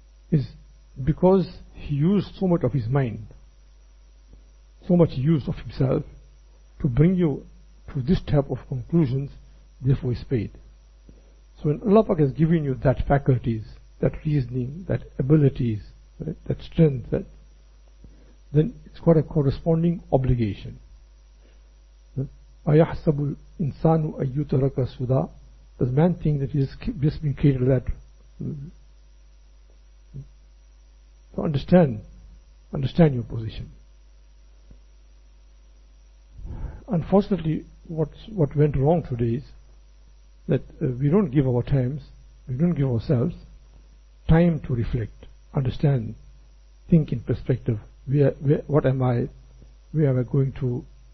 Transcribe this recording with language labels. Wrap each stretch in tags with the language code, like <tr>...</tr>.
<en>Is because he used so much of his mind, so much he used of himself, to bring you to this type of conclusions, therefore he's paid. So when Allah has given you that faculties, that reasoning, that abilities, right, that strength, that, then it's got a corresponding obligation.</en> <ar>أَيَحْسَبُ الْإِنسَانُ أَيُّتَرَكَ سُدَى.</ar> <en>Does man think that he has just been created like that? So understand your position. Unfortunately, what went wrong today is that we don't give our times, we don't give ourselves time to reflect, understand, think in perspective. What am I? Where am I going to?</en>